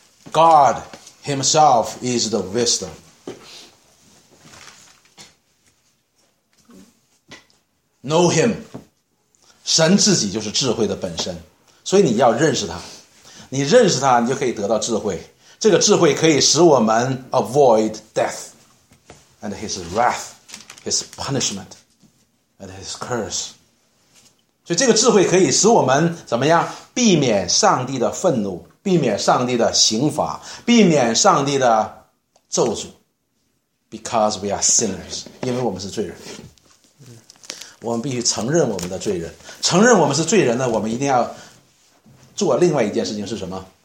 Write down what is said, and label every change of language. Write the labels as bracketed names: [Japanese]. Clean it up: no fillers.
[English] God himself is the wisdom。 [Chinese] Know him，神自己就是智慧的本身，所以你要认识他，你认识他，你就可以得到智慧， [English] 这个智慧可以使我们 avoid death and his wrath, his punishment, and his curse. [Chinese] 所以这个智慧可以使我们怎么样？避免上帝的愤怒，避免上帝的刑罚，避免上帝的咒诅。 [English] Because we are sinners, 因为我们是罪人。 [Chinese] 我们必须承认我们的罪人，承认我们是罪人呢，我们一定要做另外一件事情是什么？